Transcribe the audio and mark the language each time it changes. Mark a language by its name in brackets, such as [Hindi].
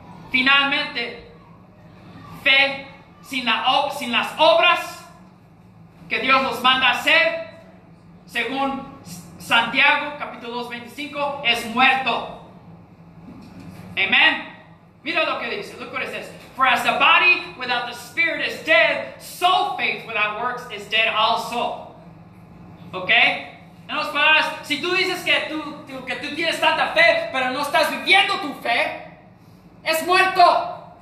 [Spanish] Finalmente, fe sin las obras que Dios nos manda hacer, según Santiago, capítulo 2, 25, es muerto. Amen. Mira lo que dice. [English] Look what it says. For as the body without the spirit is dead, so faith without works is dead also. Okay? [Spanish] En otras palabras, si tú dices que tú tienes tanta fe, pero no estás viviendo tu fe, es muerto.